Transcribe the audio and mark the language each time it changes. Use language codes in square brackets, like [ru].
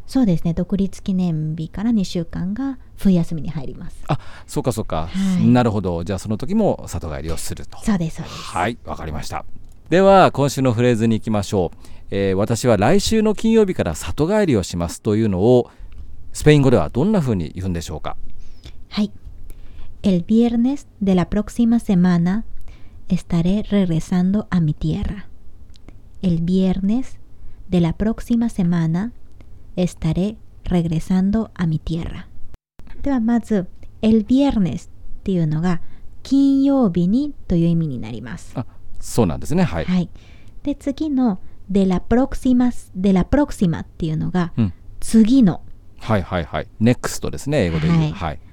[ja] そうですね、独立記念日から2週間が冬休みに入ります。あ、そうかそうか、はい、なるほど。じゃあその時も里帰りをすると。そうです、そうです。はい、わかりました。では今週のフレーズに行きましょう。私は来週の金曜日から里帰りをしますというのをスペイン語ではどんな風に言うんでしょうか。はい、 [es] El viernes de la próxima semana estaré regresando a mi tierra. El viernes de la próxima semana estaré regresando a mi tierra. [ja] ではまず [es] El viernes [ja] っていうのが金曜日にという意味になります。あ、そうなんですね、はい、はい。で次のでラプロクシマス、でラプロクシマっていうのが次の、うん、はいはいはい、ネクストですね英語で言う、はい。